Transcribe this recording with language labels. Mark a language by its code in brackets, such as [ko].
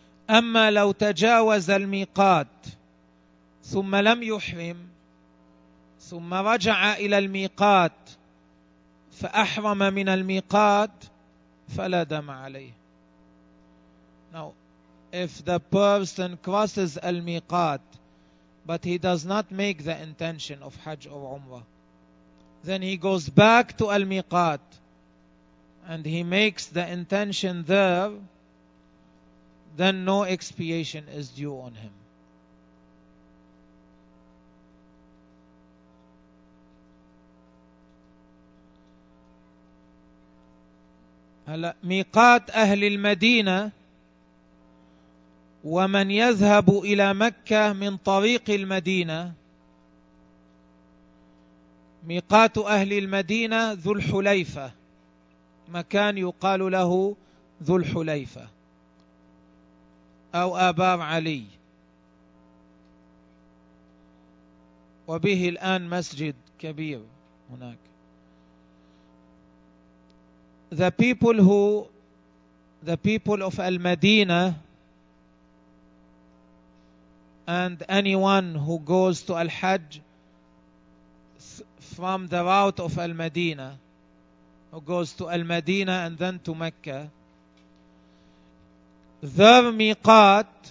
[ar] أما لو تجاوز الميقات ثم لم يحرم ثم رجع إلى الميقات فأحرم من الميقات فلا دم عليه. [en] Now, if the person crosses al-miqat, but he does not make the intention of Hajj or Umrah, then he goes back to al-miqat and he makes the intention there, then no expiation is due on him. [ar] Miqat Ahl al-Madinah ومن يذهب إلى مكة من طريق المدينة. ميقات أهل المدينة ذو الحليفة, مكان يقال له ذو الحليفة أو آبار علي, وبه الآن مسجد كبير هناك. [en] The people of المدينة and anyone who goes to Al-Hajj from the route of Al-Madinah, who goes to Al-Madinah and then to Mecca, their miqat